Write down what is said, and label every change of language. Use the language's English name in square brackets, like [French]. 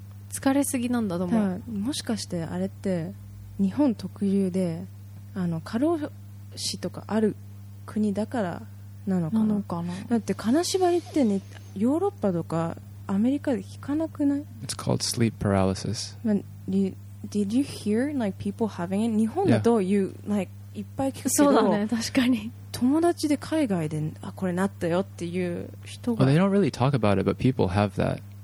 [Japanese] 疲れすぎなんだと思う。もしかしてあれって日本特有で、過労死とかある国だからなのかな。なのかな。だって金縛りってね、ヨーロッパとかアメリカで聞かなくない? [English] It's called sleep paralysis. Did you hear like people having it? [Japanese] 日本だと、 [English] yeah. you like [Japanese] いっぱい聞くけど。そうだね、確かに。友達で海外で、あ、これなったよっていう人が。 [English] Well, they don't really talk about it, but people have that.